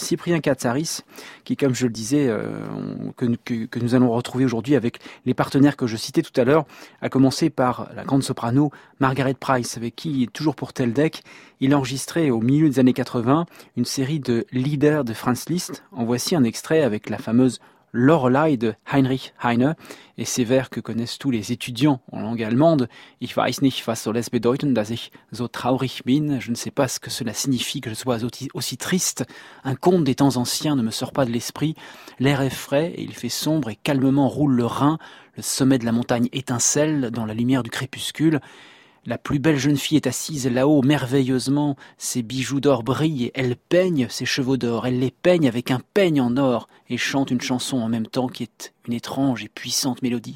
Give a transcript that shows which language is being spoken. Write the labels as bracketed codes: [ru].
[fr] Cyprien Katsaris, qui, comme je le disais, que nous allons retrouver aujourd'hui avec les partenaires que je citais tout à l'heure, a commencé par la grande soprano Margaret Price, avec qui, toujours pour Teldec, il enregistrait au milieu des années 80 une série de Lieder de Franz Liszt. En voici un extrait avec la fameuse Lorelei de Heinrich Heine et ces vers que connaissent tous les étudiants en langue allemande. [de] Ich weiß nicht, was soll es bedeuten, dass ich so traurig bin. [fr] Je ne sais pas ce que cela signifie que je sois aussi triste. Un conte des temps anciens ne me sort pas de l'esprit. L'air est frais et il fait sombre et calmement roule le Rhin. Le sommet de la montagne étincelle dans la lumière du crépuscule. La plus belle jeune fille est assise là-haut, merveilleusement. Ses bijoux d'or brillent, elle peigne ses chevaux d'or, elle les peigne avec un peigne en or et chante une chanson en même temps qui est une étrange et puissante mélodie.